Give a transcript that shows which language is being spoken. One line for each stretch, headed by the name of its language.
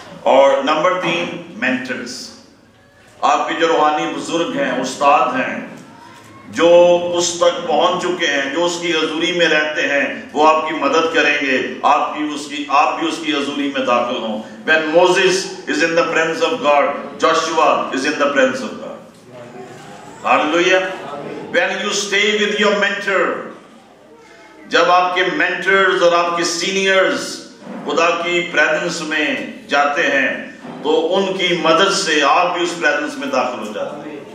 Urdu: اور نمبر تین, مینٹرز, آپ کے جو روحانی بزرگ ہیں, استاد ہیں, جو اس تک پہنچ چکے ہیں, جو اس کی حضوری میں رہتے ہیں, وہ آپ کی مدد کریں گے, آپ بھی اس کی حضوری میں داخل ہوں.
English: When Moses is in the presence of God, Joshua is in the presence of God. Hallelujah. When you stay with your mentor,
Urdu: جب آپ کے mentors اور آپ کے seniors خدا کی presence میں جاتے ہیں تو ان کی مدد سے آپ بھی اس presence میں داخل ہو جاتے ہیں.